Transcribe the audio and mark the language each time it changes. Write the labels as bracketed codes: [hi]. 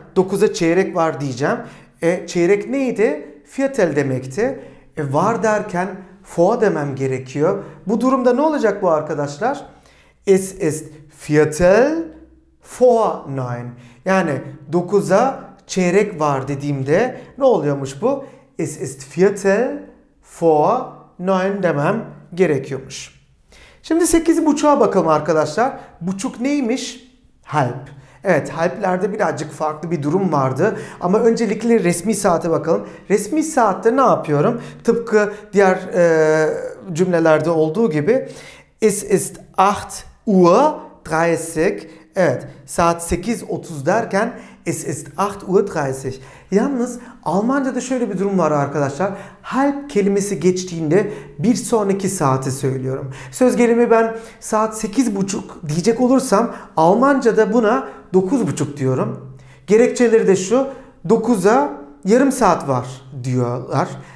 [tr] 9'a çeyrek var diyeceğim. Çeyrek neydi? Viertel demekti. Var derken vor demem gerekiyor. Bu durumda ne olacak bu arkadaşlar? [de] Es ist Viertel vor neun. [tr] Yani 9'a çeyrek var dediğimde ne oluyormuş bu? [de] Es ist viertel vor neun [tr] demem gerekiyormuş. Şimdi 8.30'a bakalım arkadaşlar. Buçuk neymiş? Halb. Evet, halblerde birazcık farklı bir durum vardı. Ama öncelikle resmi saate bakalım. Resmi saatte ne yapıyorum? Tıpkı diğer cümlelerde olduğu gibi. [de] Es ist 8 Uhr 30. [tr] Evet, saat 8.30 derken [de] es ist 8 Uhr 30. [tr] Yalnız Almanca'da şöyle bir durum var arkadaşlar. Halb kelimesi geçtiğinde bir sonraki saati söylüyorum. Söz gelimi ben saat 8.30 diyecek olursam Almanca'da buna 9.30 diyorum. Gerekçeleri de şu. 9'a yarım saat var diyorlar.